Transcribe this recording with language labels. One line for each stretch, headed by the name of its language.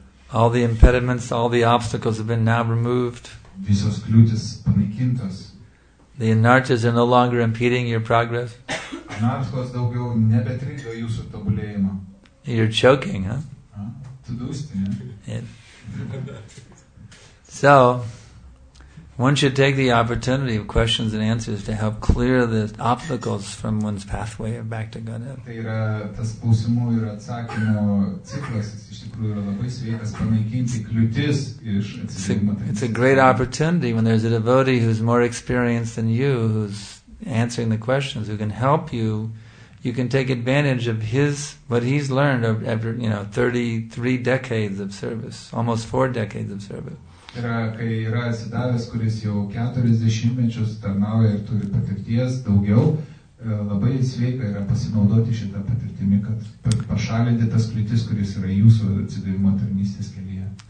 English: All the impediments, all the obstacles have been now removed.
Lithuanian: visos kliūtis panaikintos.
English: The anarthas are no longer impeding your progress.
Lithuanian: Anarchos daugiau nebetrikdo jūsų tobulėjimą.
English: You're choking, huh?
Lithuanian: Tu dusti, ne?
English: So, one should take the opportunity of questions and answers to help clear the obstacles from one's pathway back to Godhead.
Lithuanian: Tai yra tas klausimų ir atsakymų ciklas, jis iš tikrųjų yra labai sveikas panaikinti kliūtis iš atsivėrimo.
English: It's a great opportunity when there's a devotee who's more experienced than you, who's answering the questions, who can help you. You can take advantage of his, what he's learned after, you know, 33 decades of service, almost 4 decades of service.
Lithuanian: Yra, kai yra atsidavęs, kuris jau 40-mečius tarnauja ir turi patirties daugiau, labai sveika yra pasinaudoti šitą patirtimį, kad pašalinti tas kliūtis, kuris yra jūsų atsidavimo tarnystės kelyje.